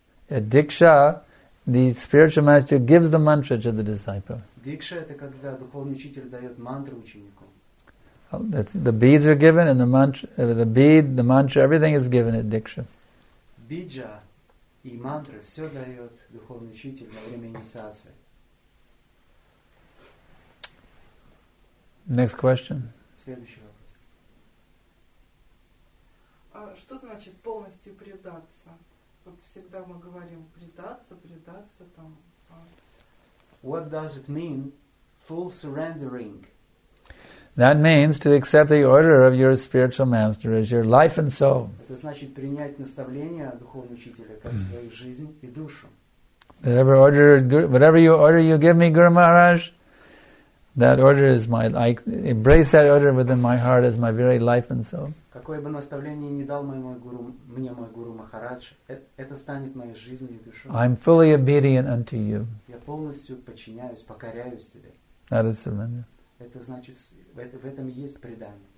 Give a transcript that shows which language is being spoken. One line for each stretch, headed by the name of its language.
English: At Diksha, the spiritual master gives the mantra to the disciple. The beads are given and the mantra, everything is given at Diksha. Bija.
Russian: И мантра все дает духовный учитель во время инициации.
English: Next question.
Russian: Следующий вопрос. Что значит полностью предаться? Вот всегда мы говорим предаться там.
English: What does it mean, full surrendering? That means to accept the order of your spiritual master as your life and soul.
Russian: Это значит принять наставление духовного учителя как свою жизнь и душу.
English: Whatever you order, you give me, Guru Maharaj. That order is my. I embrace that order within my heart as my very life and soul.
Russian: Какое бы наставление ни дал мой гуру Махарадж, это станет моей жизнью и душой.
English: I'm fully obedient unto you.
Russian: Я полностью подчиняюсь, покоряюсь тебе.
English: That is surrender.
Russian: Это значит, в этом и есть предание.